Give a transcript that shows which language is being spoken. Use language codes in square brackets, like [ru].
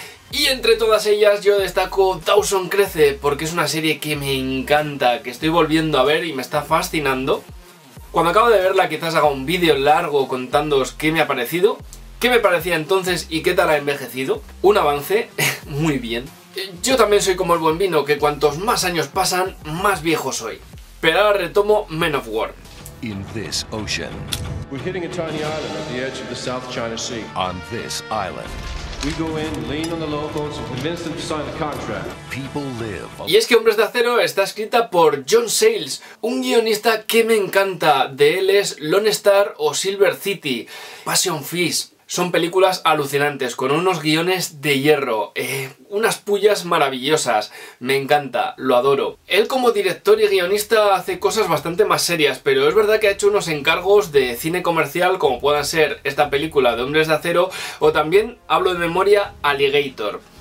[es] Y entre todas ellas yo destaco Dawson Crece, porque es una serie que me encanta, que estoy volviendo a ver y me está fascinando. Cuando acabo de verla, quizás haga un vídeo largo contándoos qué me ha parecido, qué me parecía entonces y qué tal ha envejecido. Un avance, muy bien. Yo también soy como el buen vino, que cuantos más años pasan, más viejo soy. Pero ahora retomo Men of War. [en] In this ocean, we're hitting a tiny island at the edge of the South China Sea. On this island, we go in, lean on the locals, and convince them to sign the contract. People live. [es] Y es que Hombres de Acero está escrita por John Sayles, un guionista que me encanta. De él es Lone Star o Silver City, Passion Fish. Son películas alucinantes, con unos guiones de hierro, unas pullas maravillosas. Me encanta, lo adoro. Él como director y guionista hace cosas bastante más serias, pero es verdad que ha hecho unos encargos de cine comercial, como puedan ser esta película de Hombres de Acero, o también, hablo de memoria, Alligator.